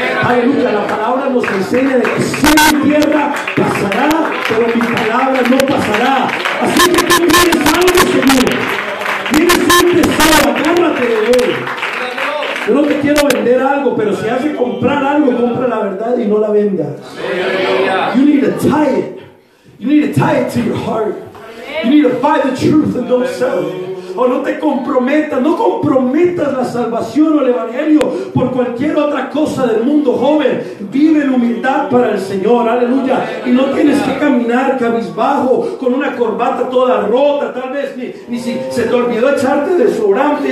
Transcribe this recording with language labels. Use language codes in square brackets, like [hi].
[es] Aleluya, la palabra nos enseña de que cielo y tierra pasará, pero mi palabra no pasará. Así que tú tienes algo, Señor. Tienes un tesoro, agárrate de él. Yo no te quiero vender algo, pero si has de comprar algo, compra la verdad y no la vendas. [en] You need to tie it. You need to tie it to your heart. You need to find the truth and don't sell it. [es] o no te comprometas, no comprometas la salvación o el evangelio por cualquier otra cosa del mundo, joven. Vive en humildad para el Señor, aleluya. Y no tienes que caminar cabizbajo con una corbata toda rota, tal vez ni si se te olvidó echarte desodorante.